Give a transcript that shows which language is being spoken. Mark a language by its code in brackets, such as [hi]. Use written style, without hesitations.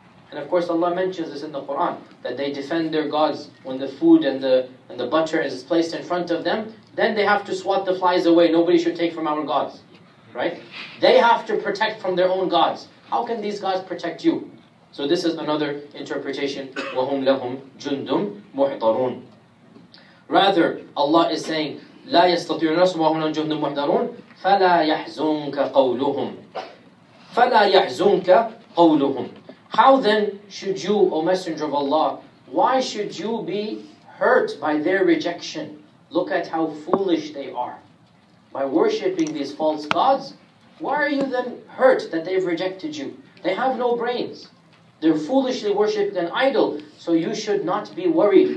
[en] And of course Allah mentions this in the Quran, that they defend their gods when the food and the butter is placed in front of them, then they have to swat the flies away. Nobody should take from our gods. Right? They have to protect from their own gods. How can these gods protect you? So this is another interpretation. [ar] وَهُمْ لَهُمْ جُنْدٌ مُحْضَرُونَ. [en] Rather, Allah is saying, [ar] لا يستطيعون نصرهم وهم لهم جهد محضرون فلا يحزنك قولهم فلا يحزنك قولهم. [en] How then should you, O Messenger of Allah, why should you be hurt by their rejection? Look at how foolish they are. By worshipping these false gods, why are you then hurt that they've rejected you? They have no brains. They're foolishly worshipped an idol, so you should not be worried.